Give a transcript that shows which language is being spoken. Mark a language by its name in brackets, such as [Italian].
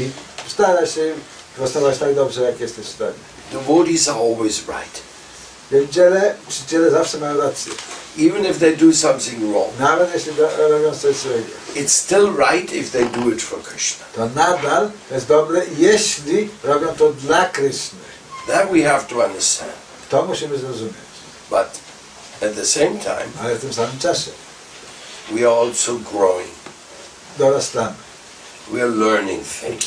[Polish] I staraj się postawać tak dobrze, jak jesteś w stanie. [English] Devotees are always right. [Polish] Wierzyciele, przyjaciele zawsze mają rację. [English] Even if they do something wrong. [Polish] Nawet jeśli robią coś złego. [English] It's still right if they do it for Krishna. [Polish] To nadal jest dobre, jeśli robią to dla Krishna. [English] That we have to understand. [Polish] To musimy zrozumieć. [English] But at the same time. [Polish] Ale w tym samym czasie. [English] We are also growing. [Polish] Dorastamy. [English] We are learning things.